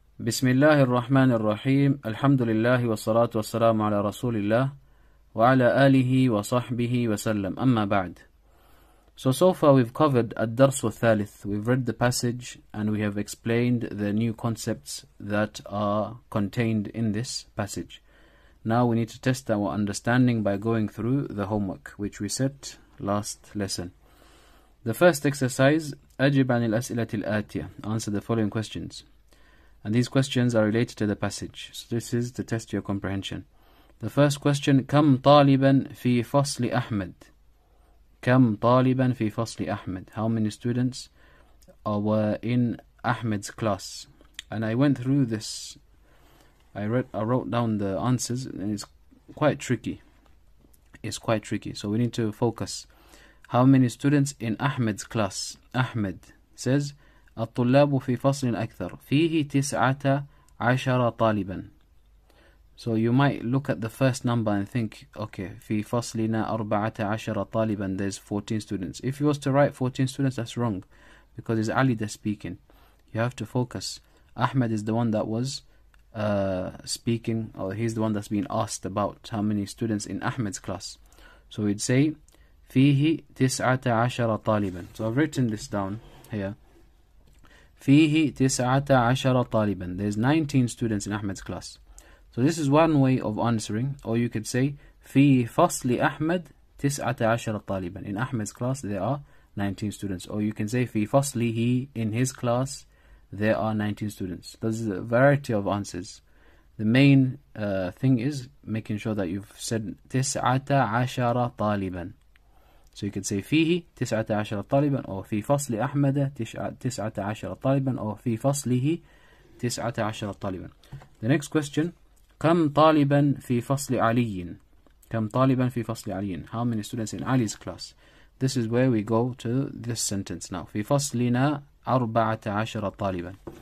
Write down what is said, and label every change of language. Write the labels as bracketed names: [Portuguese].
[Arabic] بسم الله الرحمن الرحيم الحمد لله والصلاة والسلام على رسول الله وعلى آله وصحبه وسلم أما بعد. [English] So far we've covered [Arabic] الدرس الثالث. [English] We've read the passage and we have explained the new concepts that are contained in this passage. Now we need to test our understanding by going through the homework which we set last lesson. The first exercise, [Arabic] أجب عن الأسئلة الآتية. [English] Answer the following questions. And these questions are related to the passage. So this is to test your comprehension. The first question, [Arabic] كم طالبا في فصل أحمد? كم طالبا في فصل أحمد? [English] How many students were in Ahmed's class? And I went through this. I wrote down the answers, and it's quite tricky. It's quite tricky. So we need to focus. How many students in Ahmed's class? Ahmed says, [Arabic] الطلاب في فصل أكثر فيه تسعة عشر طالبا. [English] So you might look at the first number and think, okay, [Arabic] في فصلنا أربعة عشر طالبا, [English] there's 14 students. If you was to write 14 students, that's wrong, because it's Ali that's speaking. You have to focus. Ahmed is the one that was speaking, or he's the one that's being asked about how many students in Ahmed's class. So we'd say [Arabic] فيه تسعة عشر طالبا. [English] So I've written this down here. [Arabic] فيه تسعة عشر طالبا. [English] There's 19 students in Ahmed's class. So this is one way of answering, or you could say [Arabic] في فصل أحمد تسعة عشر طالبا. [English] In Ahmed's class there are 19 students. Or you can say [Arabic] في فصله, [English] in his class there are 19 students. There's a variety of answers. The main thing is making sure that you've said [Arabic] تسعة عشر طالبا. [English] So you can say [Arabic] فيه تسعة عشر طالبا, or في فصل أحمد تسعة عشر طالبا, or في فصله تسعة عشر طالبا. [English] The next question, [Arabic] كم طالبا في فصل علي? كم طالبا في فصل علي? [English] How many students in Ali's class? This is where we go to this sentence now. [Arabic] في فصلنا أربعة عشر طالبا.